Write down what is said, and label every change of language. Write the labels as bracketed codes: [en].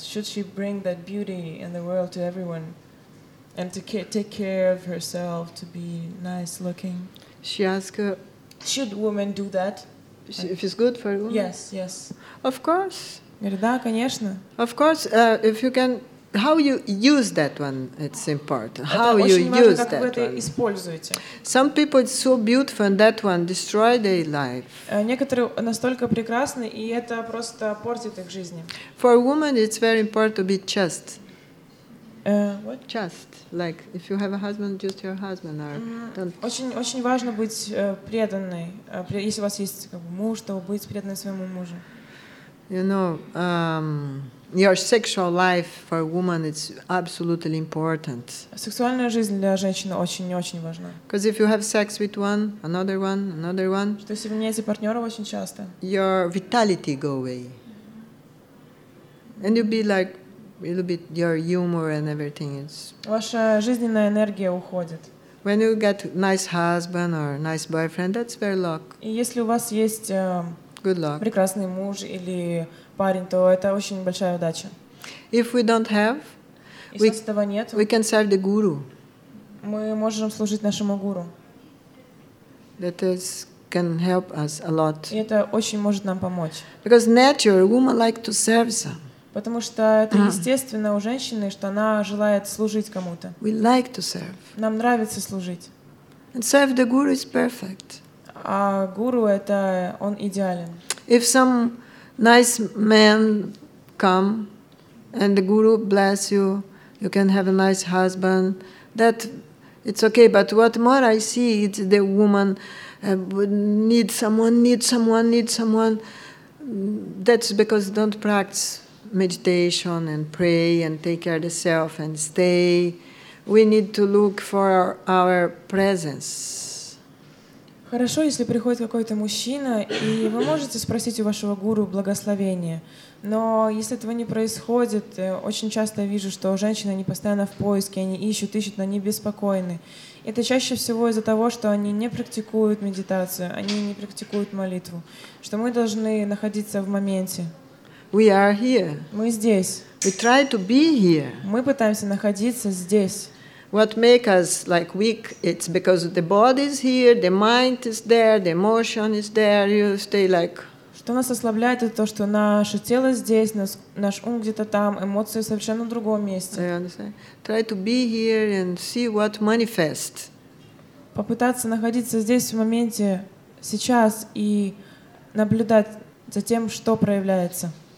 [en] Should she bring that beauty in the world to everyone and to take care of herself, to be nice looking? She asked, should women do that? If it's good for women? Yes, yes. Of course. [ru] Да, конечно. [en] Of course, if you can, how you use that one, it's important. How you use that one. [ru] Это очень важно, как вы это используете. [en] Some people it's so beautiful, and that one destroy their life. [ru] Некоторые настолько прекрасны, и это просто портит их жизни. [en] For women, it's very important to be chaste. What? Chaste. Like, if you have a husband, just your husband. Or don't. [ru] Очень важно быть преданной. Если у вас есть как бы, муж, то быть преданной своему мужу. [en] You know, your sexual life for a woman is absolutely important. [ru] Сексуальная жизнь для женщины очень-очень важна. [en] Because if you have sex with one, another one, another one. [ru] Что если вы меняете партнера очень часто. [en] Your vitality go away. And you'll be like, a little bit your humor and everything is. [ru] Ваша жизненная энергия уходит. [en] When you get nice husband or nice boyfriend, that's very luck. [ru] И если у вас есть [en] good luck. [ru] Прекрасный муж или парень, то это очень большая удача. [en] If we don't have, we can serve the guru. [ru] Мы можем служить нашему гуру. [en] That is can help us a lot. [ru] И это очень может нам помочь. [en] Because nature, woman like to serve some. [ru] Потому что это естественно у женщины, что она желает служить кому-то. [en] We like to serve. [ru] Нам нравится служить. [en] And serve the guru is perfect. [ru] А гуру это он идеален. [en] If some nice man come and the guru bless you, you can have a nice husband. That it's okay. But what more I see is the woman need someone. That's because don't practice. Meditation and pray and take care of the self and stay. We need to look for our presence. [ru] Хорошо, если приходит какой-то мужчина, и вы можете спросить у вашего гуру благословения. Но если этого не происходит, очень часто я вижу, что женщины они постоянно в поиске, они ищут, но они беспокойны. Это чаще всего из-за того, что они не практикуют медитацию, они не практикуют молитву, что мы должны находиться в моменте. [en] We are here. [ru] Мы здесь. [en] We try to be here. [ru] Мы пытаемся находиться здесь. [en] What makes us like weak? It's because the body is here, the mind is there, the emotion is there. You stay like. [ru] Что нас ослабляет, это то, что наше тело здесь, наш ум где-то там, эмоции совершенно в другом месте. [en] I understand. Try to be here and see what manifests. [ru] Попытаться находиться здесь в моменте, сейчас и наблюдать. Затем, что проявляется?